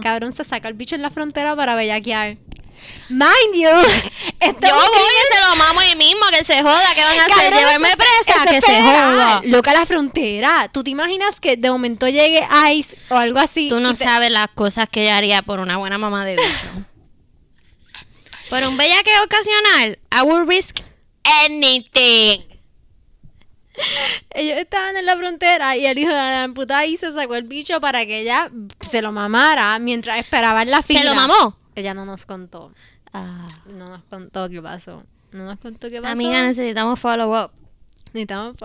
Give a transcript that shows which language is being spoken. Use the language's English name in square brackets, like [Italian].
[Spanish] Cabrón, se saca el bicho en la frontera para bellaquear. [English] Mind you, [Spanish] este yo voy y se lo mamo ahí mismo, que se joda, que van a hacer, llevarme presa, que se joda. Loca, la frontera, tú te imaginas que de momento llegue ICE o algo así. Tú no sabes las cosas que ella haría por una buena mamá de bicho. Por un bellaqueo ocasional, [English] I would risk anything. [Spanish] Ellos estaban en la frontera y el hijo de la puta ahí se sacó el bicho para que ella se lo mamara mientras esperaba en la fila. ¿Se lo mamó? Ella no nos contó. No nos contó qué pasó. Amiga, necesitamos follow up. Necesitamos follow up.